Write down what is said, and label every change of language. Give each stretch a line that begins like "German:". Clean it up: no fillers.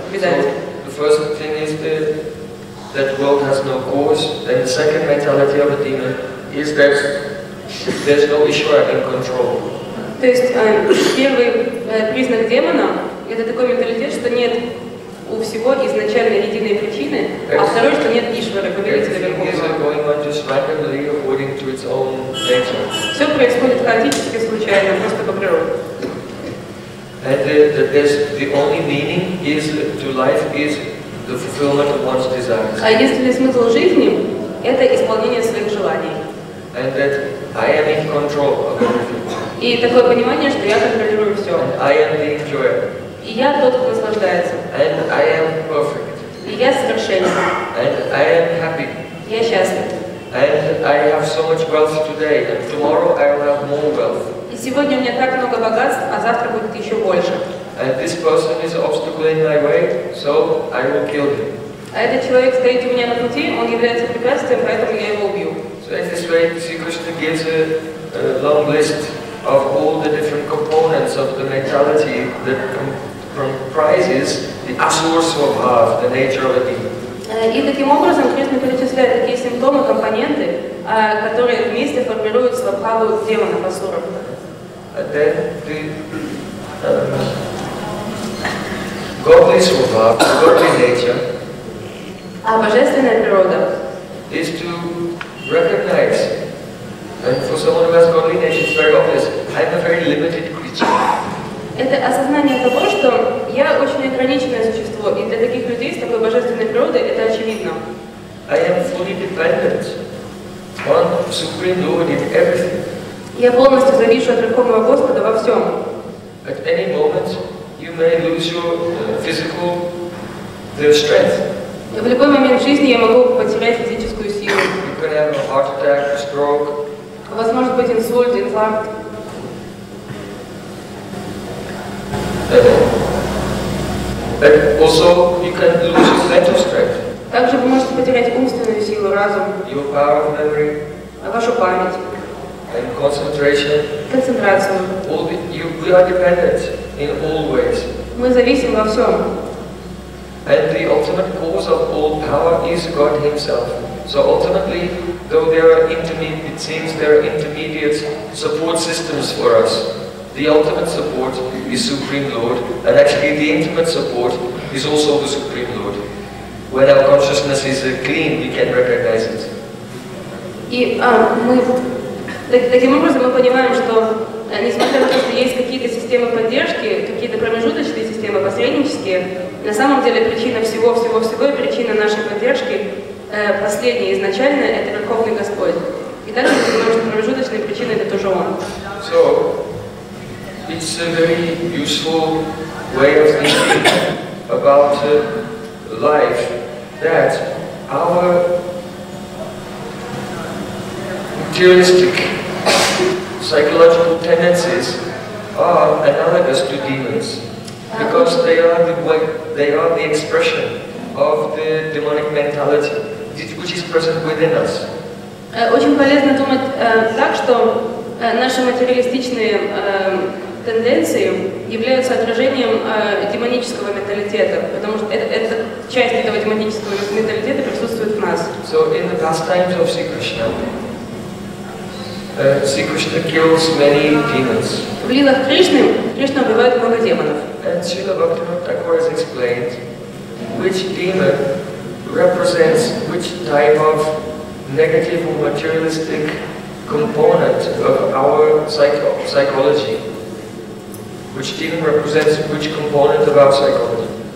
English: So, the first thing is that world has no cause. Then the second mentality of a demon is that there's no Ishvara in control.
Russian: То есть первый признак демона – это такой менталитет, что нет у всего изначальной единой причины, а второй, что нет Ишвара, повелителя Верховного. Все происходит хаотически, случайно, просто по природе.
English: And the only meaning is to life is the fulfillment of one's desires.
Russian: А единственный смысл жизни – это исполнение своих желаний.
English: And that I am in control of everything.
Russian: И такое понимание, что я контролирую все.
English: And I am the enjoyer.
Russian: И я тот, кто наслаждается.
English: And I am perfect.
Russian: И я совершенен.
English: And I am happy.
Russian: Я счастлив.
English: And I have so much wealth today, and tomorrow I will have more wealth.
Russian: И сегодня у меня так много богатств, а завтра будет еще больше.
English: And this person is obstacle in my way, so I will kill him.
Russian: А этот человек стоит у меня на пути, он является препятствием, поэтому я его убью.
English: So in this way, Sri Krishna gives a long list of all the different components of the mentality that comprises the asura swabhava, the nature of a demon.
Russian: И таким образом Кришна перечисляет такие симптомы, компоненты, которые вместе формируют свабхаву демона, асура.
English: Then the godly swabhava, godly nature.
Russian: А божественная природа.
English: Is to recognize. And for someone who has godly nature, it's very obvious. I am a very limited creature.
Russian: Это осознание того, что я очень ограниченное существо, и для таких людей с такой божественной природой это очевидно.
English: I am fully dependent on Supreme Lord in everything.
Russian: Я полностью завишу от Верховного Господа во всем.
English: At any moment, you may lose your physical strength.
Russian: В любой момент жизни я могу потерять физическую силу.
English: You can have a heart attack, a stroke.
Russian: Возможно быть инсульт, инфаркт.
English: And also you can lose your mental strength.
Russian: Также вы можете потерять умственную силу, разум.
English: Your power of memory.
Russian: Вашу память.
English: And concentration.
Russian: Концентрацию.
English: We are dependent in all ways.
Russian: Мы зависим во всем.
English: And the ultimate cause of all power is God Himself. So ultimately, though there are it seems there are intermediate support systems for us. The ultimate support is Supreme Lord, and actually the intimate support is also the Supreme Lord. When our consciousness is clean, we can recognize it.
Russian: И мы таким образом мы понимаем, что несмотря на то, что есть какие-то системы поддержки, какие-то промежуточные системы, посреднические, на самом деле причина всего-всего-всего и причина нашей поддержки, последняя, изначальная, это Верховный Господь. И также мы понимаем, что промежуточные причины — это тоже Он.
English: So, it's a very useful way of thinking about life, that our materialistic psychological tendencies are analogous to demons, because they are the expression of the demonic mentality, which is present within us.
Russian: Очень полезно думать так, что наши материалистичные тенденции являются отражением демонического менталитета, потому что это часть этого демонического менталитета присутствует в нас.
English: So in the pastimes of Sri Krishna, Sri Krishna kills many demons.
Russian: В лилах Кришны Кришна убивает много демонов.
English: And Srila Bhaktivinoda Thakur has explained which demon represents which type of negative or materialistic component of our psychology. Which demon represents which component of our psychology.